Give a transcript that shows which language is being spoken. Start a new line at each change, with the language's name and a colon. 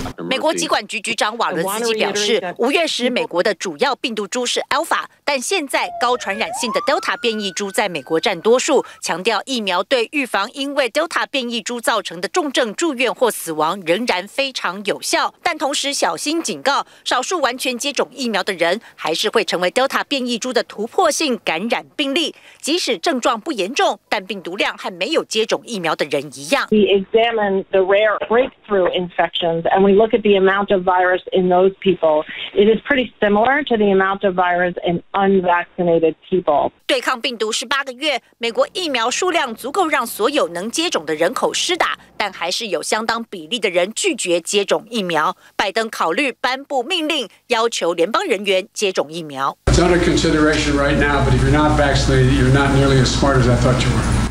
Chinese: 美国疾管局局长瓦伦斯基表示，五月时美国的主要病毒株是 Alpha， 但现在高传染性的 Delta 变异株在美国占多数，强调疫苗对预防因为 Delta 变异株造成的重症住院或死亡仍然非常有效，但同时小心警告，少数完全接种疫苗的人还是会成为 Delta 变异株的突破性感染病例，即使症状不严重，但病毒量和没有接种疫苗的人一样。
English: We examine the rare breakthrough infections and we look at the amount of virus in those people. It is pretty similar to the amount of virus in unvaccinated people.
Chinese: 对抗病毒18个月，美国疫苗数量足够让所有能接种的人口施打，但还是有相当比例的人拒绝接种疫苗。拜登考虑颁布命令，要求联邦人员接种疫苗。
English: It's under consideration right now, but if you're not vaccinated, you're not nearly as smart as I thought you were.